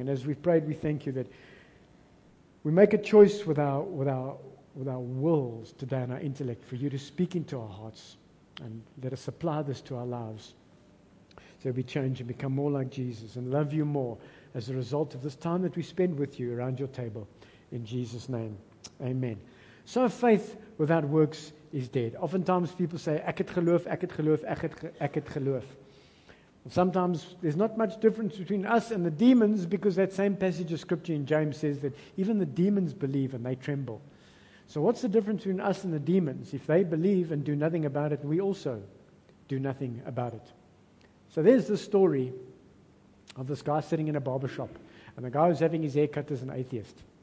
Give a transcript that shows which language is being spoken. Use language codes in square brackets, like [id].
[en] And as we've prayed, we thank you that we make a choice with our wills today and our intellect for you to speak into our hearts and let us apply this to our lives so we change and become more like Jesus and love you more as a result of this time that we spend with you around your table. In Jesus' name, amen. So faith without works is dead. Oftentimes people say, [af] ek het geloof, ek het geloof, [en] ek het geloof. Sometimes there's not much difference between us and the demons because that same passage of scripture in James says that even the demons believe and they tremble. So what's the difference between us and the demons? If they believe and do nothing about it, we also do nothing about it. So there's the story of this guy sitting in a barbershop, and the guy who's having his hair cut is an atheist.